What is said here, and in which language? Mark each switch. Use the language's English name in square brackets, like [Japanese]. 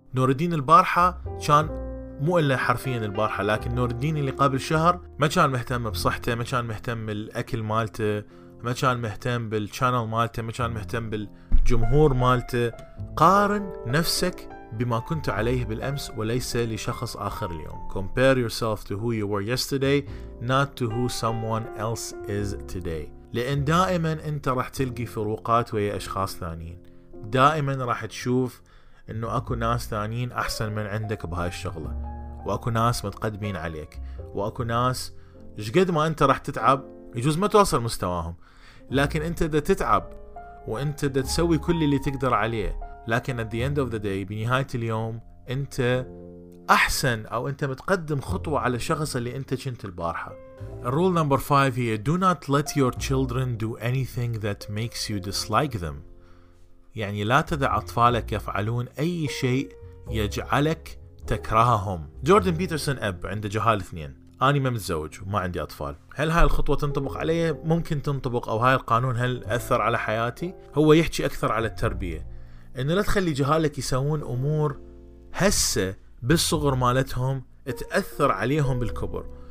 [Arabic] نور الدين البارحة كان مو إلا حرفيا البارحة، لكن نور الدين اللي قبل شهر ما كان مهتم بصحته، ما كان مهتم بالأكل مالته، ما كان مهتم بالشانل مالته، ما كان مهتم بالجمهور مالته. قارن نفسك بما كنت عليه بالأمس وليس لشخص آخر اليوم. [English] Compare yourself to who you were yesterday, not to who someone else is today. [Arabic] لأن دائما أنت راح تلقي فروقات ويا أشخاص ثانيين، دائما راح تشوف أنه أكو ناس ثانيين أحسن من عندك بهاي الشغلة، وأكو ناس متقدمين عليك، وأكو ناس جقد ما أنت راح تتعب يجوز ما توصل مستواهم. لكن أنت دا تتعب وأنت دا تسوي كل اللي تقدر عليه، لكن [English] at the end of the day، [Arabic] بنهاية اليوم أنت أحسن، أو أنت متقدم خطوة على الشخص اللي أنت كنت البارحة. [English] Rule number 5 [Arabic] هي [English] Do not let your children do anything that makes you dislike them. [Arabic] يعني لا تدع أطفالك يفعلون أي شيء يجعلك تكرههم. جوردن بيترسون أب عنده جهال 2، أنا ما متزوج وما عندي أطفال، هل هاي الخطوة تنطبق عليه؟ ممكن تنطبق، أو هاي القانون هل أثر على حياتي؟ هو يحكي أكثر على التربية، إنه لا تخلي جهالك يسوون أمور هسة بالصغر مالتهم تأثر عليهم بالكبر.